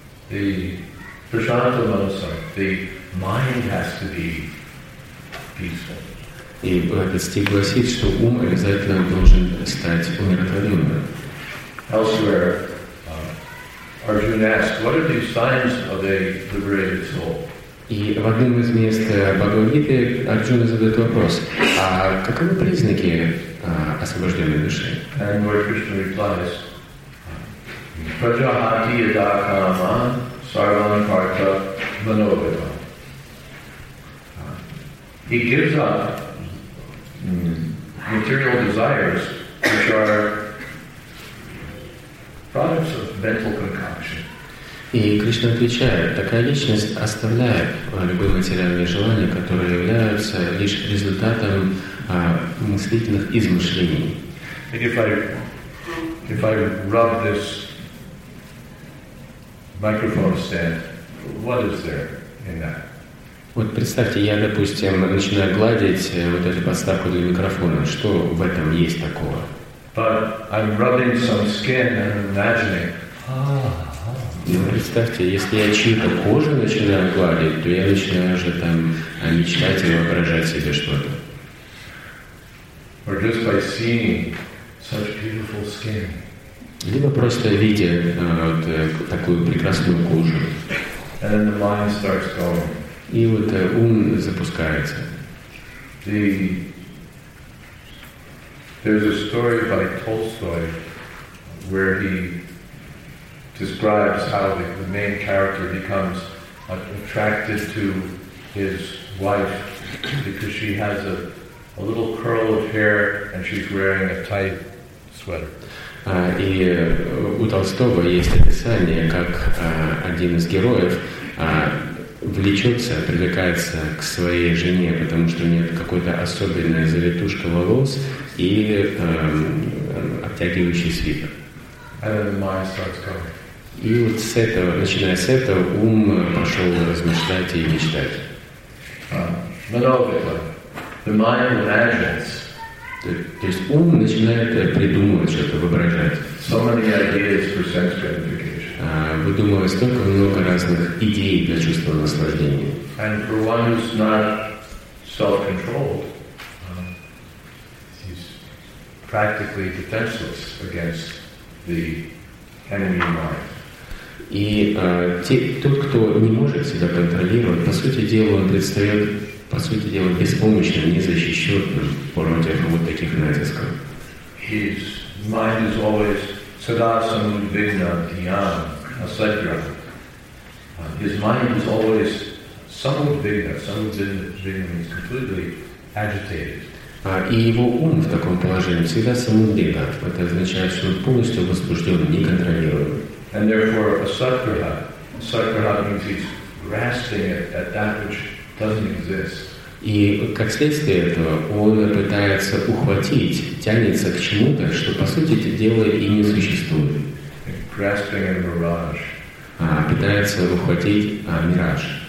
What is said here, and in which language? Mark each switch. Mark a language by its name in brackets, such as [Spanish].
[English] The prashanta manasam, the mind has to be peaceful. [Russian] И этот стих гласит, что ум обязательно должен стать умиротворенным. [English] Elsewhere, Arjuna asks, what are the signs of a liberated soul? [Russian] И в одном из мест Бхагавад-гиты Арджуна задает вопрос, а каковы признаки освобожденной души? [English] And Lord Krishna replies, [Sanskrit] Prajahati yadakama sarvam partha manovidam. [English] He gives up material desires which are products of mental concoction. [Russian] И Кришна отвечает, такая личность оставляет любые материальные желания, которые являются лишь результатом мыслительных измышлений. [English] If I rub this microphone stand, what is there in that? [Russian] Вот представьте, я, допустим, начинаю гладить вот эту подставку для микрофона. Что в этом есть такого? [English] But I'm rubbing some skin and imagining. [Russian] Ну, представьте, если я чью-то кожу начинаю гладить, то я начинаю уже там мечтать и воображать себе что-то. [English] Or just by seeing such beautiful skin. [Russian] Либо просто видя вот такую прекрасную кожу. [English] And then the mind starts going. [Russian] И вот ум запускается. [English] There's a story by Tolstoy where he describes how the main character becomes attracted to his wife because she has a little curl of hair and she's wearing a tight sweater. [Russian] И у Толстого есть описание, как один из героев влечется, привлекается к своей жене, потому что у нее какой-то особенная завитушка волос и обтягивающий свитер. [English] And then the mind starts going. [Russian] И вот с этого, начиная с этого, ум пошел размышлять и мечтать. [English] The mind imagines. [Russian] То есть ум начинает придумывать что-то, воображать. [English] So many ideas for sense gratification. [Russian] Выдумывая столько много разных идей для чувства наслаждения. [English] And for one who's not self-controlled, he's practically defenseless against the enemy mind. [Russian] И тот, кто не может себя контролировать, по сути дела, он предстает беспомощным, незащищенным против вот таких натисков. [English] His mind is always [Sanskrit] sadasam vigna dhyan asadhyam. [English] His mind is always samudvigna means completely agitated. [Russian] И его ум в таком положении всегда самудвигна. Это означает, что он полностью возбужден, неконтролируемый. [English] And therefore, asatkara means he's grasping at that which doesn't exist. [Russian] И как следствие этого, он пытается ухватить, тянется к чему-то, что, по сути дела, и не существует. [English] Grasping a mirage. [Russian] Пытается ухватить мираж.